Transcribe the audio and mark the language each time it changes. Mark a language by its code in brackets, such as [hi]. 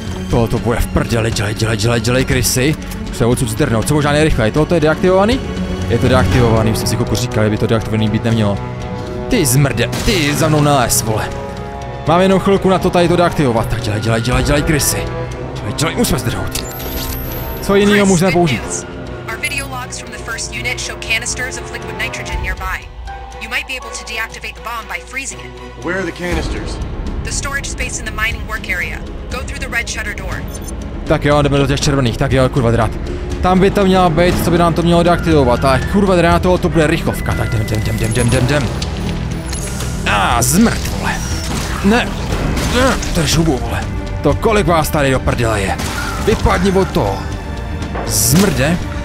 [cs] Tohoto bude v prdele, dělej, krysy. Musíme odsud zdrhnout, co možná nejrychle, je tohoto je deaktivovaný? Je to deaktivovaný, jsem si koko říkal, by to deaktivovaný být nemělo. Ty zmrde, ty za mnou nalez, vole. Mám jenom chvilku na to tady to deaktivovat, tak dělej, krysy. Čili musíme zdrhout. Co jinýho můžeme použít? [en] Our video logs from the first unit show canisters of liquid nitrogen nearby. You might be able to deactivate the bomb by freezing it. Where are the canisters? The storage space in the mining work area. Go through the red shutter door. [cs] Tak jo, jdeme do těch červených, tak jo, kurva drát. Tam by to mělo být, co by nám to mělo deaktivovat, ale kurva drát, tohle to bude rychlovka. Tak jdem. Zmrt, vole. Ne, drž hubu, vole. To kolik vás tady do prdele je? Vypadni od toho! Zmrde!